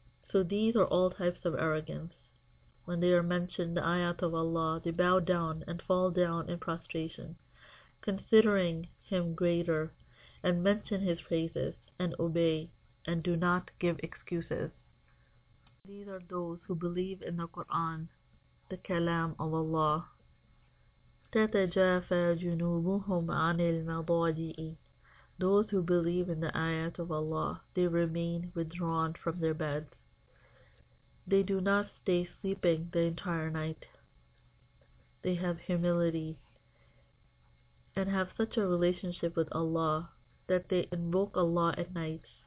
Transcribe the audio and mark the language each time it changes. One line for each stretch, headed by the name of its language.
English: So these are all types of arrogance. When they are mentioned the ayat of Allah, they bow down and fall down in prostration, considering him greater, and mention his praises, and obey, and do not give excuses. These are those who believe in the Quran, the Kalam of Allah.
Arabic: تتجافى جنوبهم عن المضاجئ.
English: Those who believe in the ayat of Allah, they remain withdrawn from their beds. They do not stay sleeping the entire night. They have humility and have such a relationship with Allah that they invoke Allah at night.